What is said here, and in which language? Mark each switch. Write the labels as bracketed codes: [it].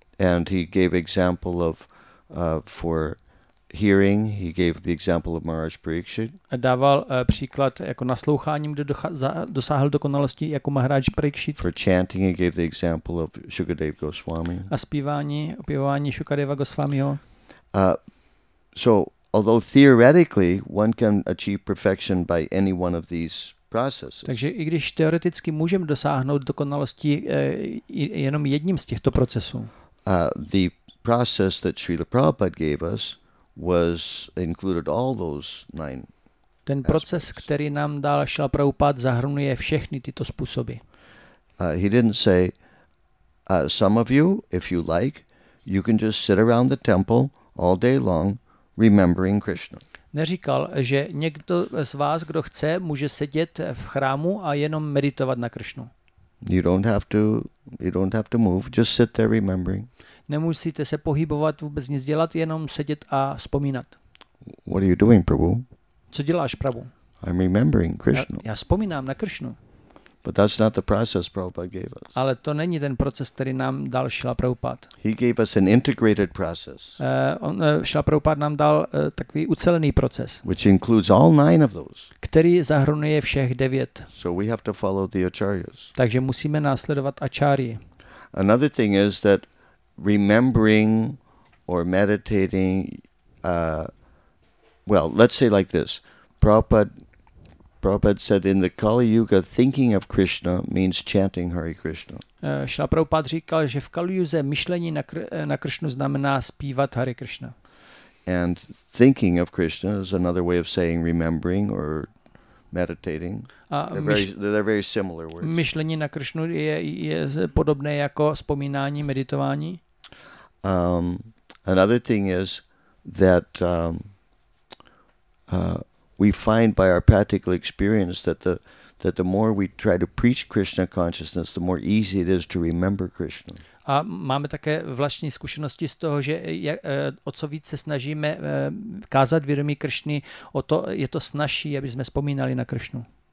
[en] And he gave example of for hearing, he gave the example of Maharaj Parikshit. [cs] Dával příklad jako nasloucháním, kde dosáhl dokonalosti jako Maharaj Parikshit. [en] For chanting, he gave the example of Shukadeva Goswami. [cs] A zpívání Shukadeva Goswamiho. [en] So although theoretically one can achieve perfection by any one of these processes. [cs] Takže i když teoreticky můžeme dosáhnout dokonalosti jenom jedním z těchto procesů. [en] The process that Srila Prabhupada gave us was included all those 9. [cs] Ten proces, [en] aspects. [cs] Který nám dal Srila Prabhupada, zahrnuje všechny tyto způsoby. [en] He didn't say some of you, if you like, you can just sit around the temple all day long remembering Krishna. [cs] Neříkal, že někdo z vás, kdo chce, může sedět v chrámu a jenom meditovat na Krishnu. [en] You don't have to move, just sit there remembering. [cs] Nemusíte se pohybovat, vůbec nic dělat, jenom sedět a vzpomínat. [en] What are you doing, Prabhu? [cs] Co děláš, Prabhu? [en] I'm remembering Krishna. [cs] Já vzpomínám na Krishnu. [en] But that's not the process Prabhupada gave us. [cs] Ale to není ten proces, který nám dal Srila Prabhupada. [en] He gave us an integrated process. [cs] Srila Prabhupada nám dal takový ucelený proces. [en] Which includes all 9 of those. [cs] Který zahrnuje všech 9. [en] So we have to follow the acharyas. [cs] Takže musíme následovat acharyi. [en] Another thing is that remembering or meditating, well, let's say like this. Prabhupada said in the Kali Yuga, thinking of Krishna means chanting Hare Krishna. [cs] Srila Prabhupada říkal, že v Kali Yuze myšlení na Krishnu znamená zpívat Hare Krishna. [en] And thinking of Krishna is another way of saying remembering or meditating. They're very similar words. [cs] Myšlení na Krishnu je podobné jako vzpomínání, meditování. [en] Another thing is that we find by our practical experience that the more we try to preach Krishna consciousness, the more easy it is to remember Krishna. [cs] A máme také vlastní zkušenosti z toho, že o co víc se snažíme kázat vědomí Krishny, o to je to snažší, aby jsme vzpomínali na Krishnu.